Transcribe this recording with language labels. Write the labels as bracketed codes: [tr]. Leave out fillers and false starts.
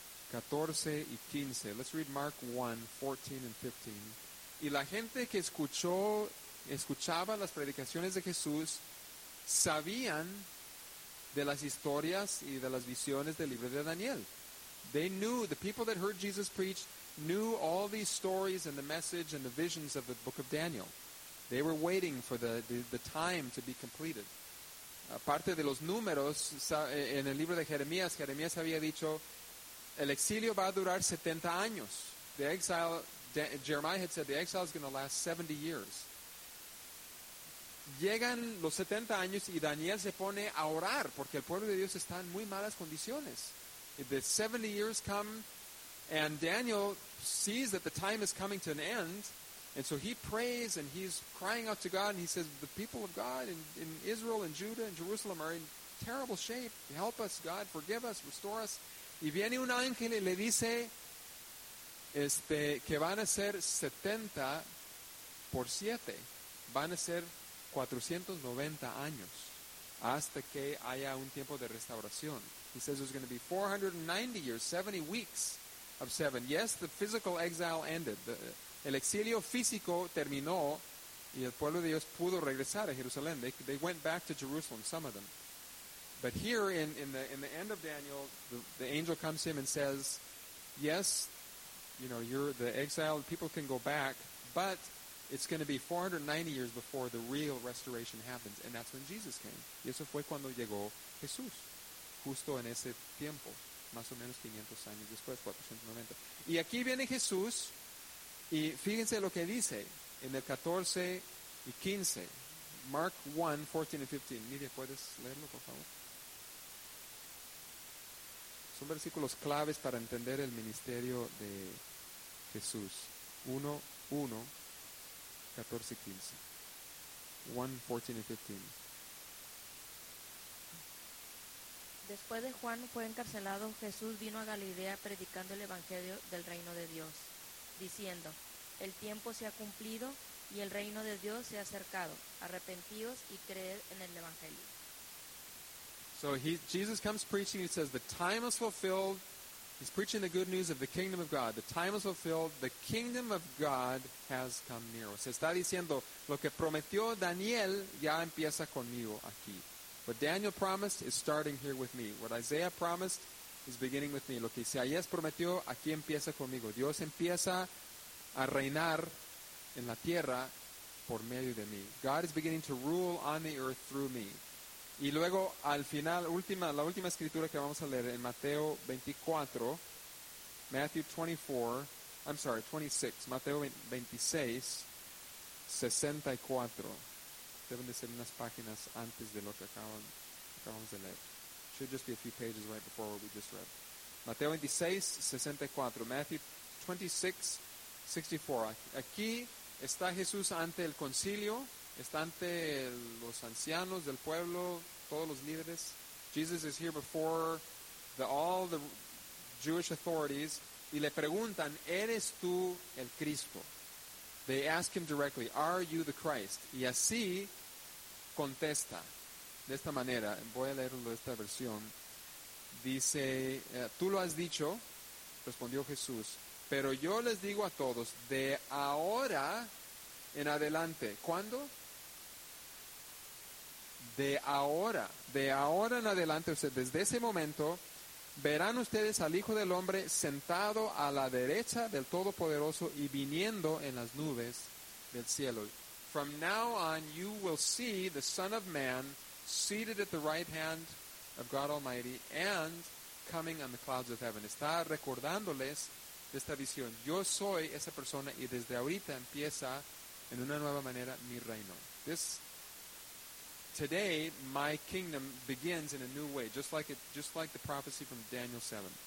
[en] Let's read Mark 1, 14 and 15. [es] Y la gente que escuchaba las predicaciones de Jesús sabían de las historias y de las visiones del libro de Daniel. [en] They knew, the people that heard Jesus preach knew all these stories and the message and the visions of the book of Daniel. They were waiting for the time to be completed. [es] Aparte de los números, en el libro de Jeremías había dicho, el exilio va a durar 70 años. [en] The exile, Jeremiah had said, the exile is going to last 70 years. [es] Llegan los 70 años y Daniel se pone a orar porque el pueblo de Dios está en muy malas condiciones. [en] The 70 years come and Daniel sees that the time is coming to an end. And so he prays and he's crying out to God and he says, the people of God in Israel and Judah and Jerusalem are in terrible shape. Help us, God, forgive us, restore us. [es] Y viene un ángel y le dice que van a ser 70 por 7. Van a ser 490 años hasta que haya un tiempo de restauración. [en] He says there's going to be 490 years, 70 weeks of 7. Yes, the physical exile ended. [es] El exilio físico terminó y el pueblo de Dios pudo regresar a Jerusalén. [en] They went back to Jerusalem, some of them. But here in the end of Daniel, the angel comes to him and says, yes, you know, you're the exile, people can go back, but it's going to be 490 years before the real restoration happens. And that's when Jesus came. [es] Y eso fue cuando llegó Jesús, justo en ese tiempo, más o menos 500 años después, 490. Y aquí viene Jesús, y fíjense lo que dice en el 14 y 15. [en] Mark 1, 14 and 15. [es] Miriam, ¿puedes leerlo, por favor? Son versículos claves para entender el ministerio de Jesús. 1, 14 y 15. 1, 14 y 15. Después de Juan fue encarcelado, Jesús vino a Galilea predicando el Evangelio del Reino de Dios, diciendo, el tiempo se ha cumplido y el Reino de Dios se ha acercado. Arrepentíos y creed en el Evangelio. [en] So Jesus comes preaching, he says, the time is fulfilled. He's preaching the good news of the kingdom of God. The time is fulfilled. The kingdom of God has come near. [es] O sea, está diciendo, lo que prometió Daniel ya empieza conmigo aquí. [en] What Daniel promised is starting here with me. What Isaiah promised is beginning with me. [es] Lo que Isaías prometió, aquí empieza conmigo. Dios empieza a reinar en la tierra por medio de mí. [en] God is beginning to rule on the earth through me. [es] Y luego, al final, la última escritura que vamos a leer en Mateo 24, [en] Matthew 24, I'm sorry, [es] 26, Mateo 26, 64. Deben de ser unas páginas antes de lo que acabamos de leer. [en] Should just be a few pages right before what we just read. [es] Mateo 26, 64, Matthew 26, 64. Aquí está Jesús ante el concilio. Está ante los ancianos del pueblo, todos los líderes. [en] Jesus is here before all the Jewish authorities. [es] Y le preguntan, ¿eres tú el Cristo? [en] They ask him directly, are you the Christ? [es] Y así contesta, de esta manera. Voy a leerlo de esta versión. Dice, tú lo has dicho, respondió Jesús. Pero yo les digo a todos, de ahora en adelante. ¿Cuándo? De ahora en adelante, o sea, desde ese momento, Verán ustedes al Hijo del Hombre sentado a la derecha del Todopoderoso y viniendo en las nubes del cielo. [en] From now on, you will see the Son of Man seated at the right hand of God Almighty and coming on the clouds of heaven. [es] Está recordándoles de esta visión. Yo soy esa persona y desde ahorita empieza en una nueva manera mi reino. [en] Today, my kingdom begins in a new way, just like the prophecy from Daniel 7.